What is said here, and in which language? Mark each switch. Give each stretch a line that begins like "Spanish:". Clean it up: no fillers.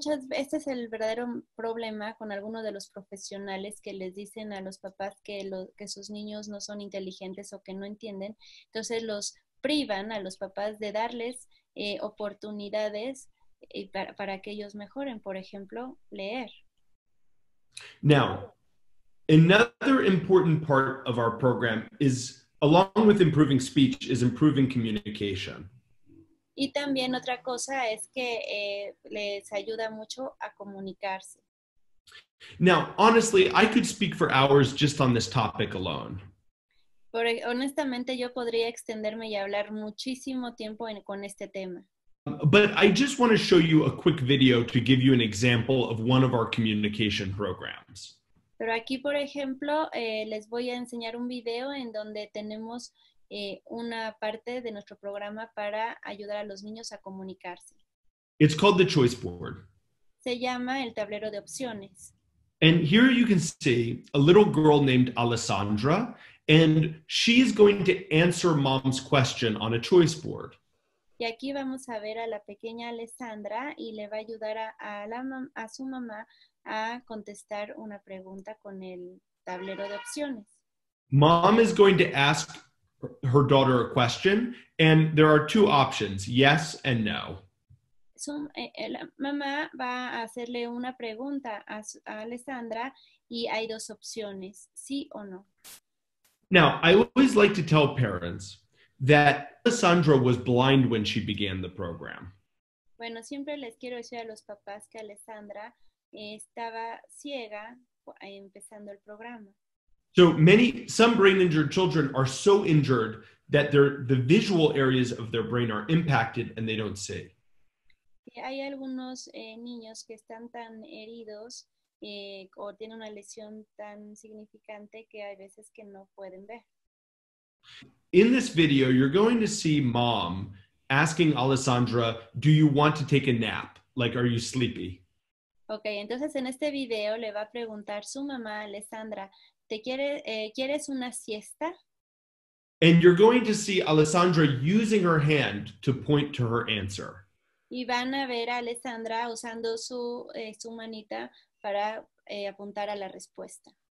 Spanish: Este es el verdadero problema con algunos de los profesionales que les dicen a los papás que sus niños no son inteligentes o que no entienden. Entonces los privan a los papás de darles oportunidades para que ellos mejoren, por ejemplo, leer.
English: Now, another important part of our program is, along with improving speech, is improving communication.
Spanish: Y también otra cosa es que les ayuda mucho a comunicarse.
English: Now, honestly, I could speak for hours just on this topic alone.
Spanish: Honestamente, yo podría extenderme y hablar muchísimo tiempo con este tema.
English: But I just want to show you a quick video to give you an example of one of our communication programs.
Spanish: Pero aquí, por ejemplo, les voy a enseñar un video en donde tenemos una parte de nuestro programa para ayudar a los niños a comunicarse.
English: It's called the choice board.
Spanish: Se llama el tablero de opciones.
English: And here you can see a little girl named Alessandra, and she is going to answer mom's question on a choice board.
Spanish: Y aquí vamos a ver a la pequeña Alessandra y le va a ayudar a su mamá a contestar una pregunta con el tablero de opciones.
English: Mom is going to ask her daughter a question, and there are two options, yes and no.
Spanish: su, la mamá va a hacerle una pregunta a Alessandra y hay dos opciones, sí o no.
English: Now, I always like to tell parents that Alessandra was blind when she began the program.
Spanish: Bueno, siempre les quiero decir a los papás que Alessandra estaba ciega empezando el programa.
English: So many, some brain injured children are so injured that the visual areas of their brain are impacted and they don't see.
Spanish: Hay algunos niños que están tan heridos o tienen una lesión tan significante que hay veces que no pueden ver.
English: In this video, you're going to see mom asking Alessandra, do you want to take a nap? Like, are you sleepy?
Spanish: Okay, entonces en este video le va a preguntar su mamá, Alessandra, ¿te quieres una siesta?
English: And you're going to see Alessandra using her hand to point to her answer.
Spanish: Y van a ver a Alessandra usando su manita para apuntar a la respuesta.